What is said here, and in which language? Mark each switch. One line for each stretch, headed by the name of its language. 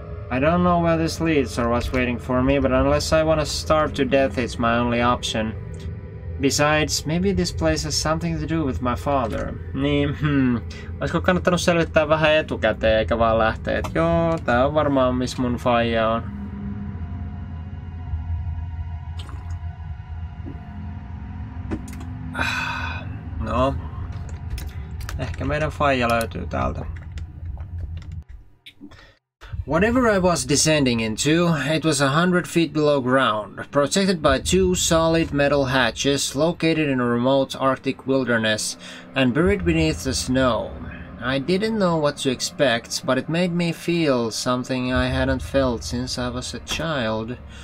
English: I don't know where this leads or what's waiting for me, but unless I want to starve to death, it's my only option. Besides, maybe this place has something to do with my father.
Finnish: Olisiko kannattanut selvittää vähän etukäteen, eikä vaan lähteä, että joo, tää on varmaan missä mun faija on. No. Ehkä meidän faija löytyy täältä.
English: Whatever I was descending into, it was 100 feet below ground, protected by 2 solid metal hatches located in a remote Arctic wilderness and buried beneath the snow. I didn't know what to expect, but it made me feel something I hadn't felt since I was a child.